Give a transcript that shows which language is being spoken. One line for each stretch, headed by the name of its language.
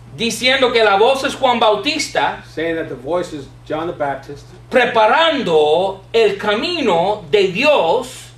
Spanish: Diciendo que la voz es Juan Bautista.
English: Saying that the voice is John the Baptist.
Spanish: Preparando el camino de Dios.